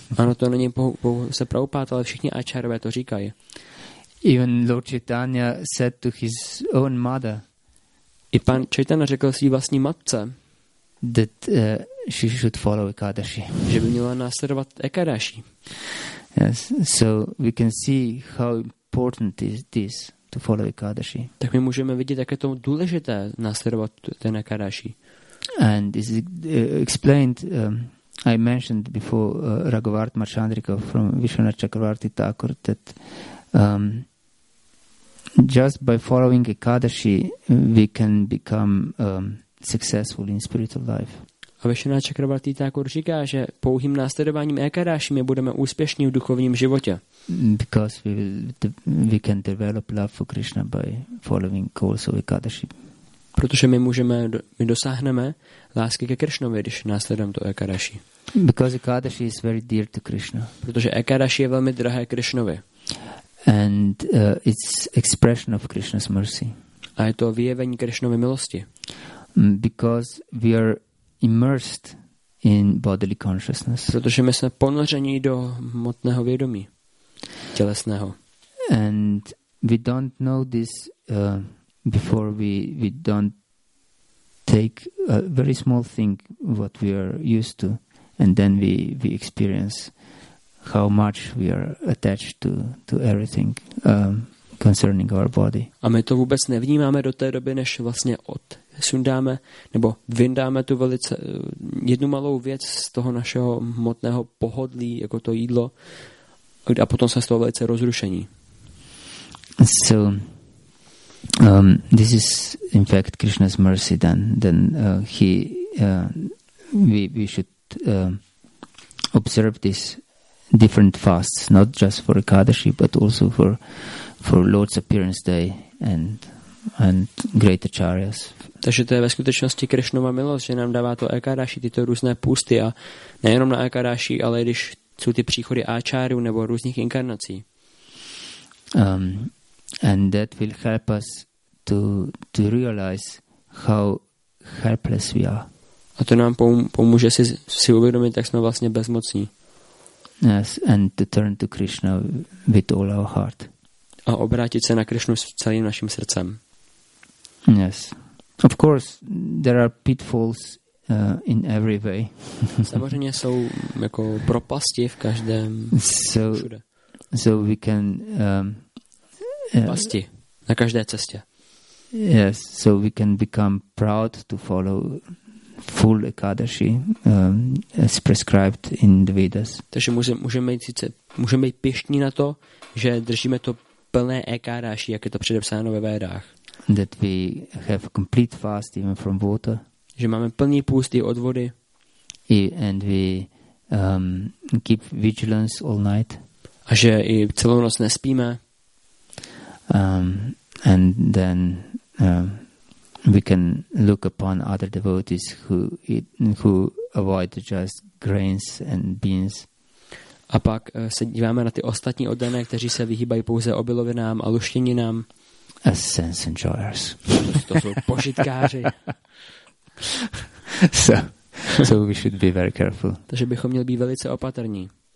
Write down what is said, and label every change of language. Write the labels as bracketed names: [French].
[Czech] Ano, to není pouze Prabhupada, ale všichni acharyové to říkají. [English] Even Lord Chaitanya said to his own mother. [Czech] I pan Chaitanya řekl své vlastní matce, [English] that she should follow Ekadashi. [Czech] Že by měla následovat Ekadashi. [English] Yes, so we can see how important is this to follow Ekadashi. [Czech] Tak my můžeme vidět, jak je to důležité následovat ten Ekadashi. [English] And this is explained, I mentioned before, Raghavart Marchandrika from Vishwanath Chakravarti Thakur, that just by following Ekadashi, we can become successful in spiritual life. [Czech] A Vishwanath Chakravarti Thakur říká, že pouhým následováním Ekadashi my budeme úspěšní v duchovním životě. [English] Because we can develop love for Krishna by following also Ekadashi. [Czech] Protože my dosáhneme lásky ke Krishnovi, když následujeme to Ekadaši. [English] Because Ekadaši is very dear to Krishna. [Czech] Protože Ekadaši je velmi drahé Krishnovi. [English] And it's expression of Krishna's mercy. [Czech] A je to vyjevení Krishnovy milosti. [English] Because we are immersed in bodily consciousness. [Czech] Protože my jsme ponoření do hmotného vědomí tělesného. [English] And we don't know this before we don't take a very small thing what we are used to, and then we experience how much we are attached to everything concerning our body. [Czech] A my to vůbec nevnímáme do té doby, než vlastně sundáme nebo vyndáme tu velice jednu malou věc z toho našeho hmotného pohodlí, jako to jídlo, a potom se z toho velice rozrušení. [English] So this is in fact Krishna's mercy then we should observe this different fasts, not just for Ekadashi but also for Lord's appearance day and great acharyas. [Czech] Takže to je ve skutečnosti Krishnova milost, že nám dává to Ekadashi, tyto různé půsty, a nejenom na Ekadashi, ale když jsou ty příchody áčárů nebo různých inkarnací. [English] And that will help us to realize how helpless we are. [Czech] A to nám pomůže si uvědomit, jak jsme vlastně bezmocní. [English] Yes, and to turn to Krishna with all our heart. [Czech] A obrátit se na Krishnu s celým naším srdcem. [English] Yes. Of course, there are pitfalls in every way. [Czech] Samozřejmě jsou jako propasti v každém. [English] So we can [Czech] pasti na každé cestě. [English] Yes, so we can become proud to follow full Ekadashi as prescribed in the Vedas. [Czech] Takže můžeme být pyšní na to, že držíme to plné Ekadashi, jak je to předepsáno ve Vedách. [English] That we have complete fast even from water. [Czech] Že máme plný půst i od vody. [English] And we keep vigilance all night. [Czech] A že i celou noc nespíme. [English] And then we can look upon other devotees who avoid just grains and beans. [Czech] A pak se díváme na ty ostatní oddané, kteří se vyhýbají pouze obilovinám a luštěninám. [English] As sense enjoyers. [Czech] To jsou požitkáři. [English] So we should be very careful. [Czech] Takže bychom měli být velice opatrní.